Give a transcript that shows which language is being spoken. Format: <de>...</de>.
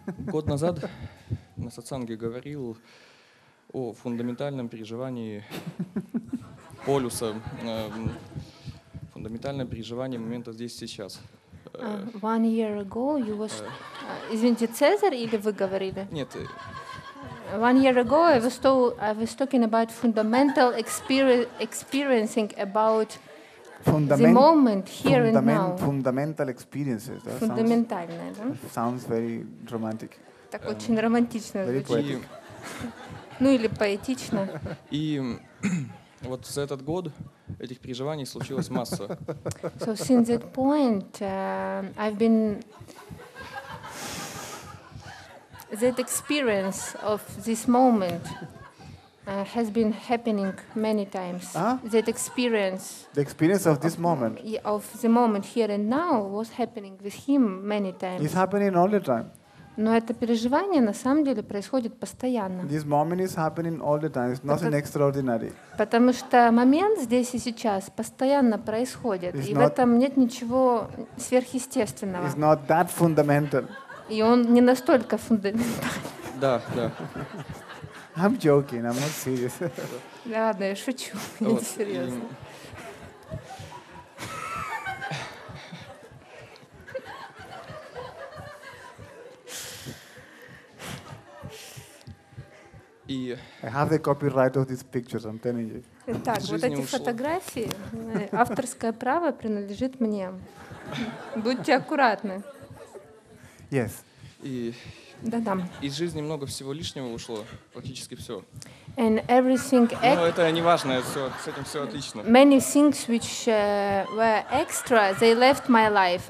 <ru>Год назад на сатсанге говорил о фундаментальном переживании полюса, фундаментальном переживании момента здесь и сейчас.</ru> <en>One year ago you was...</en> <ru>Извините, Цезарь или вы говорили? Нет.</ru> <en>One year ago I was talking about fundamental experiencing about the moment here and now. Fundamental experiences.</en> <ru>Фундаментальное, да?</ru> <en>Sounds very romantic.</en> <ru>Так очень романтично звучит.</ru> <en>Very poetic.</en> <ru>Ну или поэтично. И вот за этот год этих переживаний случилось масса.</ru> <en>So since that point, I've been that experience of this moment. Has been happening many times. Huh? That experience. The experience of this moment. Of the moment here and now was happening with him many times. It's happening all the time.</en> <ru>Но это переживание на самом деле происходит постоянно.</ru> <en>This moment is happening all the time. It's nothing extraordinary.</en> <ru>Потому что момент здесь и сейчас постоянно происходит, и в этом нет ничего сверхъестественного.</ru> <en>It's not that fundamental.</en> <ru>И он не настолько фундаментальный. Да, да.</ru> <en>I'm joking, I'm not serious.</en> <ru>Да ладно, я шучу, не серьезно.</ru> <en>I have the copyright of these pictures, I'm telling you.</en> <ru>Так, вот эти фотографии, авторское право принадлежит мне. Будьте аккуратны.</ru> <en>Yes.</en> <ru>Да-да. Из жизни много всего лишнего ушло, практически все.</ru> <en>And everything.</en> <ru>Но это не важно, с этим все отлично.</ru> <en>Many things which were extra, they left my life.</en>